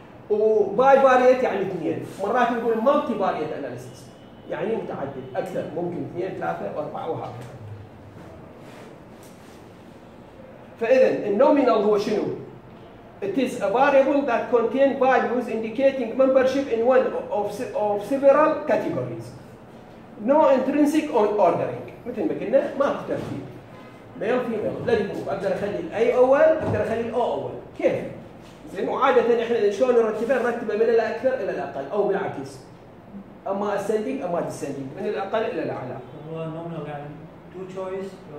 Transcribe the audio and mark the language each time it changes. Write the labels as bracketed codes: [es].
[ar] وباي فاريت يعني اثنين، مرات نقول مالتي فاريت اناليسيس يعني متعدد اكثر، ممكن اثنين ثلاثه واربعه وهكذا. فاذا النومينال هو شنو؟ [en] It is a variable that contains values indicating membership in one of several categories. No intrinsic ordering. [ar] مثل ما قلنا ما في ترتيب. [en] Male, female. Blood group. [ar] أقدر أخلي الـ A أول، أقدر أخلي الـ O أول. كيف؟ زين وعادة إحنا شلون نرتبها؟ نرتبها من الأكثر إلى الأقل أو بالعكس. أما ascending أما descending. من الأقل إلى الأعلى. هو [en] nominal [ar] يعني [en] two choice.